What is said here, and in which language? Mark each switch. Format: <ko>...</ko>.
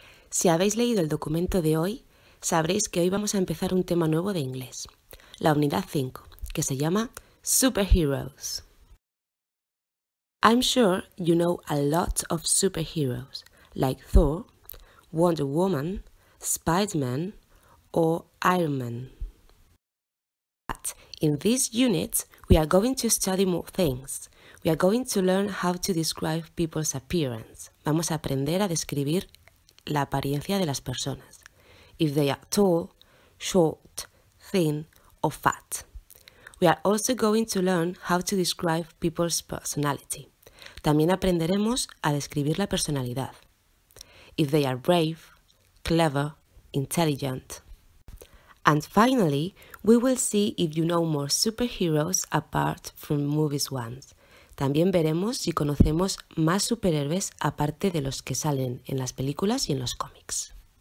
<es>Si habéis leído el documento de hoy, sabréis que hoy vamos a empezar un tema nuevo de inglés, la unidad 5, que se llama Superheroes.</es> <en>I'm sure you know a lot of superheroes, like Thor, Wonder Woman, Spider-Man, or Iron Man. But in this unit, we are going to study more things. We are going to learn how to describe people's appearance.</en> <es>Vamos a aprender a describir la apariencia de las personas.</es> <en>If they are tall, short, thin, or fat. We are also going to learn how to describe people's personality.</en> <es>También aprenderemos a describir la personalidad.</es> <en>If they are brave, clever, intelligent. And finally, we will see if you know more superheroes apart from movies ones.</en> <es>También veremos si conocemos más superhéroes aparte de los que salen en las películas y en los cómics.</es>